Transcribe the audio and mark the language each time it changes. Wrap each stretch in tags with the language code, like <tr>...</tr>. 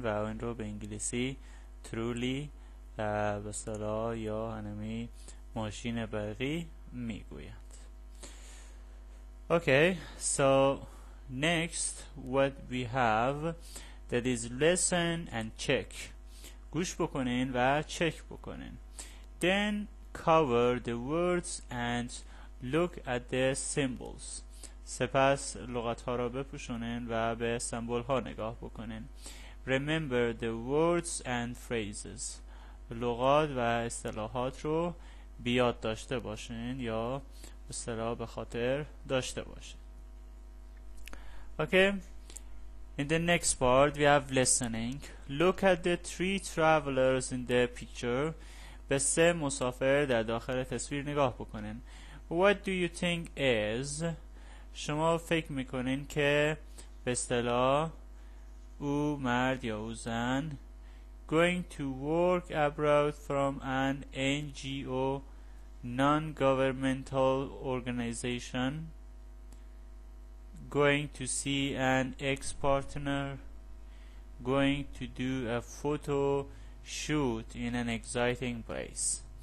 <fa>و این رو به انگلیسی truly به اصطلاح یا انمی ماشین برقی میگویند.</fa> <en>Okay, so next what we have that is listen and check.</en> <fa>گوش بکنین و چک بکنین.</fa> <en>Then cover the words and look at the symbols.</en> <fa>سپس لغت ها را بپوشونین و به سمبول ها نگاه بکنین.</fa> <en>Remember the words and phrases.</en> <fa>لغات و اصطلاحات رو بیاد داشته باشین یا به اصطلاح به خاطر داشته باشین.</fa> <en>Okay. In the next part we have listening. Look at the three travelers in the picture.</en> <fa>به سه مسافر در داخل تصویر نگاه بکنین.</fa> <en>What do you think is؟</en> <fa>شما فکر میکنین که به اصطلاح او مرد یا او زن</fa> <en>going to work abroad from an NGO non-governmental organization, going to see an ex-partner, going to do a photo shoot in an exciting place.</en>